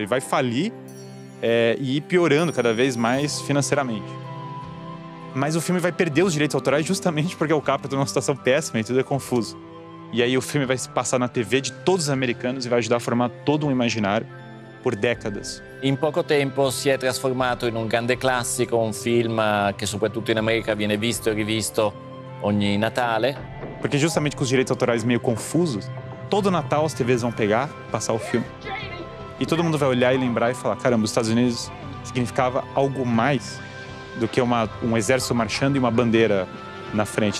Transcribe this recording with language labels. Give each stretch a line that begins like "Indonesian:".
Portuguese: Ele vai falir e ir piorando cada vez mais financeiramente. Mas o filme vai perder os direitos autorais justamente porque o Capra está numa situação péssima e tudo é confuso. E aí o filme vai se passar na TV de todos os americanos e vai ajudar a formar todo um imaginário por décadas. Em pouco tempo
Italian: si è trasformato in un grande classico, un film che soprattutto in America viene visto e rivisto ogni Natale.
Portuguese: Porque justamente com os direitos autorais meio confusos, todo Natal as TVs vão pegar, passar o filme. E todo mundo vai olhar e lembrar e falar, caramba, os Estados Unidos significava algo mais do que um exército marchando e uma bandeira na frente.